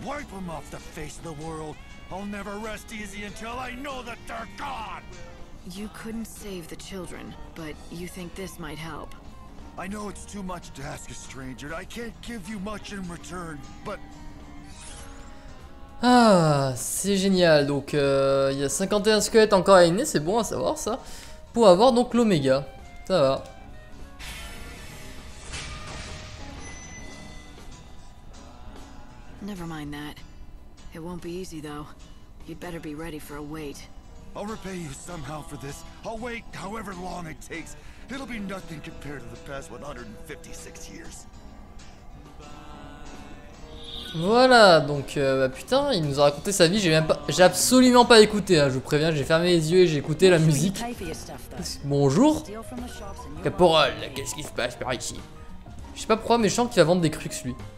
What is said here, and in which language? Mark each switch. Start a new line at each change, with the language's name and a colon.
English: Wipe them off the face of the world. I'll never rest easy until I know that they're gone. You couldn't save the children, but you think this might help. I know it's too much to ask a stranger, and I can't give you much in return, but...
French: Ah, c'est génial. Donc, il y a 51 squelettes encore à éliminer, c'est bon à savoir ça. Pour avoir donc l'Oméga. Ça va.
English: Never mind that. It won't be easy, though. You'd better be ready for a wait. I'll repay you somehow for this. I'll wait however long it takes. It'll be nothing compared to the past 156 years.
French: Voilà, donc bah putain, il nous a raconté sa vie, j'ai absolument pas écouté, hein, je vous préviens, j'ai fermé les yeux et j'ai écouté la musique. Bonjour. Caporal, qu'est-ce qui se passe par ici? Je sais pas pourquoi, mais je sens qu'il va vendre des crux lui.